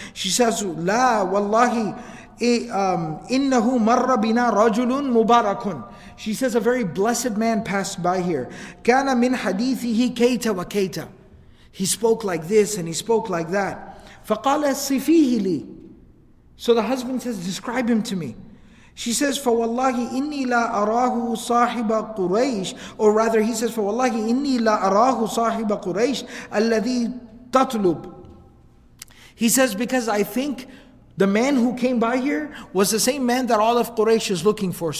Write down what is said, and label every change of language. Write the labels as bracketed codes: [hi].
[en] She says, [ar] La wallahi, innahu marra bina rajulun mubarakun. [en] She says, a very blessed man passed by here. [ar] كَانَ مِنْ حَدِيثِهِ كَيْتَ وَكَيْتَ. [en] He spoke like this and he spoke like that. [ar] فَقَالَ صِفِيهِ لِي. [en] So the husband says, describe him to me. She says, [ar] فَوَاللَّهِ إِنِّي لَا أَرَاهُ صَاحِبَ قُرَيْشِ. [en] Or rather, he says, [ar] فَوَاللَّهِ إِنِّي لَا أَرَاهُ صَاحِبَ قُرَيْشِ أَلَّذِي تَطْلُبُ. [en] He says, because I think the man who came by here was the same man that all of Quraysh is looking for.